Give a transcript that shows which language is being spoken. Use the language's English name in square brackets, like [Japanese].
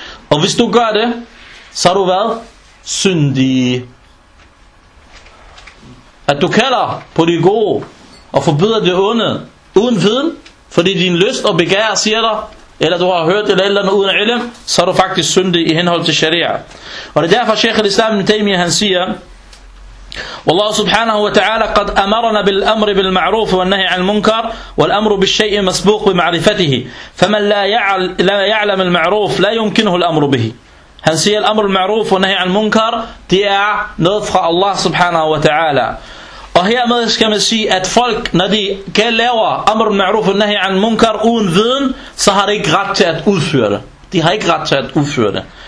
[Danish] Og hvis du gør det, så har du været syndig. At du kalder på det gode og forbyder det onde uden viden, fordi din lyst og begær siger dig, eller du har hørt eller eller andet uden ilm, så er du faktisk syndig i henhold til sharia. Og det er derfor, Sheikh al-Islam ibn Taymiyyah, han siger, Allah subhanahu wa ta'ala, [Arabic] قد أمرنا بالأمر بالمعروف والنهي عن المنكر والأمر بالشيء مسبوق بمعرفته فمن لا يعلم المعروف لا يمكنه الأمر به. [Danish] Han siger, [Arabic] الأمر المعروف والنهي عن المنكر, [Danish] det er noget fra Allah subhanahu wa ta'ala. Og hermed skal man sige, at folk, når de kan lave amr al-ma'ruf og nahi an munkar uden viden, så har de ikke ret til at udføre det. De har ikke ret til at udføre det.